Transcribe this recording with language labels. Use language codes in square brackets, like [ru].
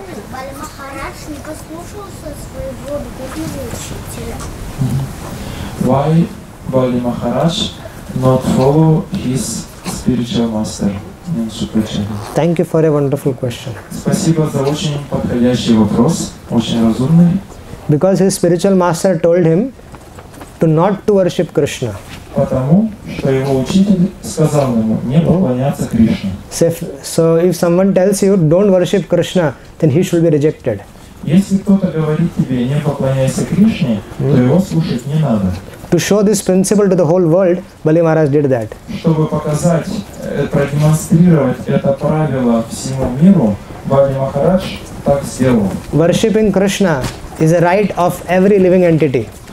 [ru] Бали Махарадж не послушался своего духовного [en] учителя. Why Бали Махарадж not follow his spiritual master? Thank you for a wonderful question. [ru] Спасибо за очень подходящий вопрос, очень разумный. [en] Because his spiritual master told him to not to worship Krishna. [ru] Потому что его учитель сказал ему не поклоняться Кришне. [en] So if someone tells you don't worship Krishna, then he should be rejected. [ru] Если кто-то говорит тебе не поклоняйся Кришне, то его слушать не надо. [en] To show this principle to the whole world, Бали Махарадж did that. [ru] Чтобы показать, продемонстрировать это правило всему миру, Бали Махарадж так сделал. [en] Worshipping Krishna is a right of every living entity.